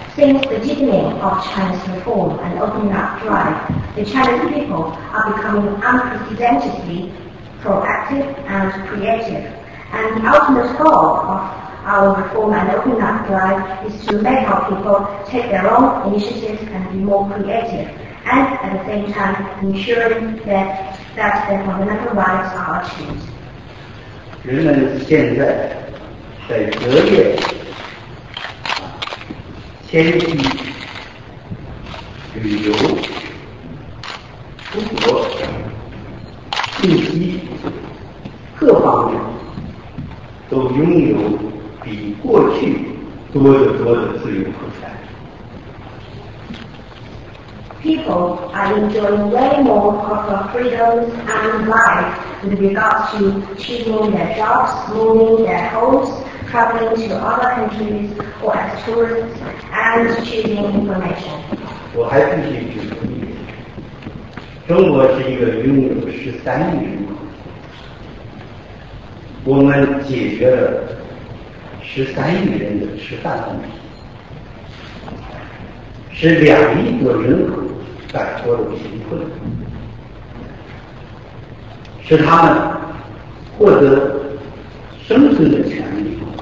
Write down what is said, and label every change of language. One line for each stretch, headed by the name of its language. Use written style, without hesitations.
English: Since the deepening of China's reform and opening up drive, the Chinese people are becoming unprecedentedly proactive and creative. And the ultimate goal of our reform and opening up drive is to make our people take their own initiatives and be more creative, and at the same time ensuring that their fundamental rights are achieved.
Chinese: 人们现在在择业迁徙、旅游、出国、信息，各方面都拥有比过去多得多的自由和权利。
English: People are enjoying way more of their freedoms and life with regards to choosing their jobs, moving their homes. Traveling to other countries or as tourists and choosing information.
Chinese: 我还必须指出一点，中国是一个拥有13亿人口，我们解决了13亿人的吃饭问题，是2亿多人口摆脱了贫困，是他们获得生存的权利。